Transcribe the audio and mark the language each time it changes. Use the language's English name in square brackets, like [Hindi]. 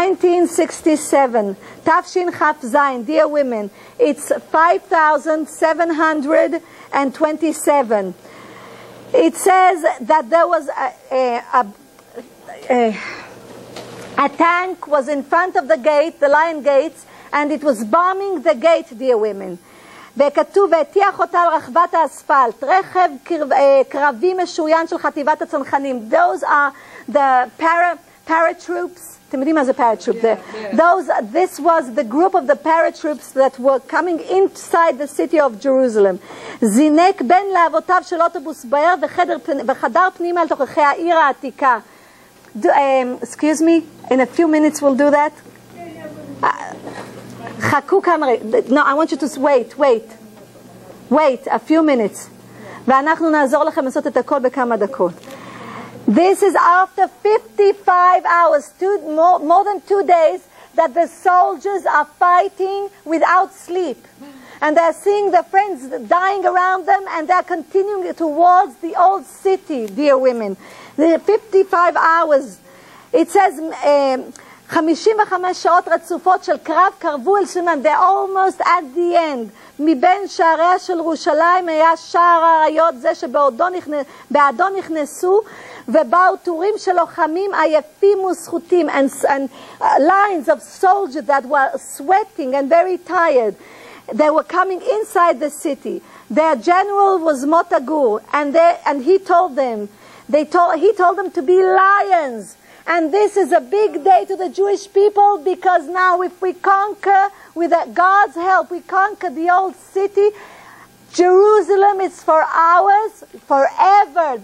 [English] 1967, [Hebrew] Tafshin Chaf Zayin, [English] dear women, it's 5,727. It says that there was a tank was in front of the gate, the lion gates, and it was bombing the gate, dear women. [Hebrew] וכתוב, ותיח אותה לרחבת האספלט, רכב קרבי משוריין של חטיבת הצנחנים. [English] Those are the paratroops. [Hebrew] אתם יודעים מה זה paratroop? [English] This was the group of the paratroops that were coming inside the city of Jerusalem. [Hebrew] זינק בין להבותיו של אוטובוס בער וחדר פנימה לתוככי העיר העתיקה. [English] Excuse me, in a few minutes we'll do that. [Hebrew] חכו כמרי, [English] no, I want you to wait a few minutes. [Hebrew] ואנחנו נעזור לכם לעשות את הכל בכמה דקות. [English] This is after 55 hours, more than 2 days, that the soldiers are fighting without sleep. And they're seeing their friends dying around them, and they're continuing towards the old city, dear women. The 55 hours. It says, [Hebrew] 55 שעות רצופות של קרב קרבו אל שלמן. [English] They're almost at the end. [Hebrew] מבין שעריה של ירושלים היה שער האריות זה שבעדו נכנסו, ובאו תורים של לוחמים עייפים וסחוטים, [English] and lines of soldiers that were sweating and very tired. They were coming inside the city. Their general was Motagur, and he told them to be lions. And this is a big day to the Jewish people, because now if we conquer, with God's help, we conquer the old city, Jerusalem is for ours forever.